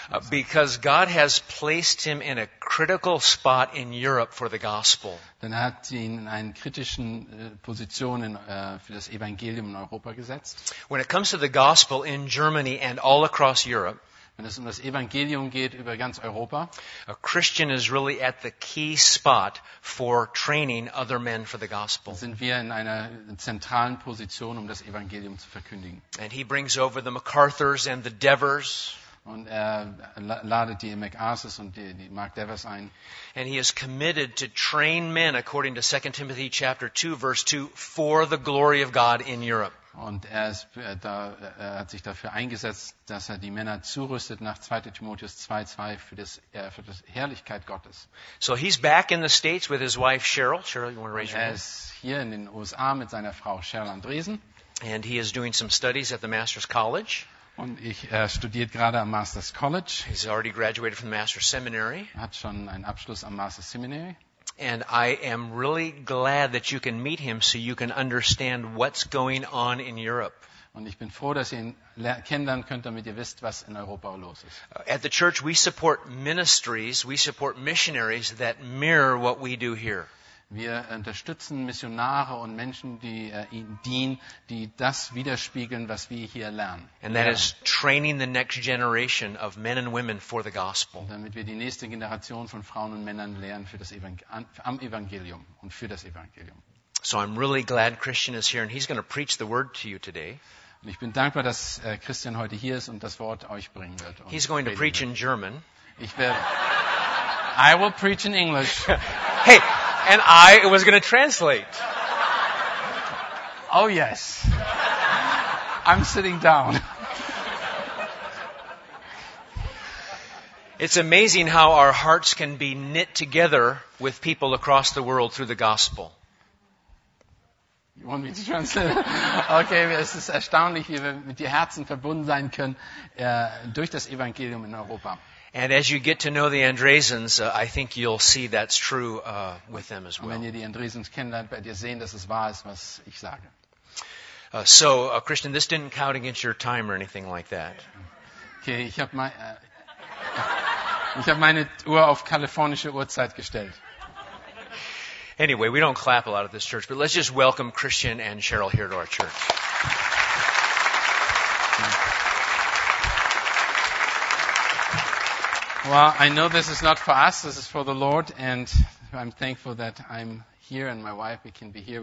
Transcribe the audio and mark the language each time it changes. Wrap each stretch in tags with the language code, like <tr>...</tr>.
<en>Because God has placed him in a critical spot in Europe for the gospel.</en> <de>Denn er hat ihn in einen kritischen Position für das Evangelium in Europa gesetzt.</de> <en>When it comes to the gospel in Germany and all across Europe,</en> <de>wenn es um das Evangelium geht über ganz Europa,</de> <en>a Christian is really at the key spot for training other men for the gospel.</en> <de>Sind wir in einer zentralen Position, um das Evangelium zu verkündigen.</de> <en>And he brings over the MacArthurs and the Devers.</en> <de>Und er ladet die MacArthurs und die Mark Devers ein.</de> <en>And he is committed to train men according to 2 Timothy chapter 2 verse 2 for the glory of God in Europe.</en> <de>Und er hat sich dafür eingesetzt, dass er die Männer zurüstet nach 2. Timotheus 2:2 für das Herrlichkeit Gottes.</de> <en>So he's back in the States with his wife Cheryl. Cheryl, you want to raise your hand?</en> <de>Er ist hier in den USA mit seiner Frau Cheryl Andresen.</de> <en>And he is doing some studies at the Master's College.</en> <de>Und er studiert gerade am Master's College.</de> <en>He's already graduated from the Master's Seminary.</en> <de>Hat schon einen Abschluss am Master's Seminary.</de> <en>And I am really glad that you can meet him so you can understand what's going on in Europe.</en> <de>Und ich bin froh, dass ihr ihn kennenlernen könnt, damit ihr wisst, was in Europa los ist.</de> <en>At the church we support ministries, we support missionaries that mirror what we do here.</en> <de>Wir unterstützen Missionare und Menschen, die ihnen dienen, die das widerspiegeln, was wir hier lernen.</de> <en>And that is training the next generation of men and women for the gospel.</en> <de>Damit wir die nächste Generation von Frauen und Männern lernen am Evangelium und für das Evangelium.</de> <en>So I'm really glad Christian is here and he's going to preach the word to you today.</en> <de>Und ich bin dankbar, dass Christian heute hier ist und das Wort euch bringen wird.</de> <en>He's going to preach in German. I will preach in English. Hey, and I was going to translate. Oh yes. I'm sitting down. It's amazing how our hearts can be knit together with people across the world through the gospel. You want me to translate?</en> <de>Okay, es ist erstaunlich, wie wir mit den Herzen verbunden sein können durch das Evangelium in Europa.</de> <en>And as you get to know the Andresens, I think you'll see that's true with them as well.</en> <de>Wenn ihr die Andresens kennenlernt, werdet ihr sehen, dass es wahr ist, was ich sage.</de> <en>So, Christian, this didn't count against your time or anything like that.</en> <de>Okay, ich hab meine Uhr auf kalifornische Uhrzeit gestellt.</de> <en>Anyway, we don't clap a lot at this church, but let's just welcome Christian and Cheryl here to our church. Well, I know this is not for us, this is for the Lord, and I'm thankful that I'm here and my wife, we can be here.</en>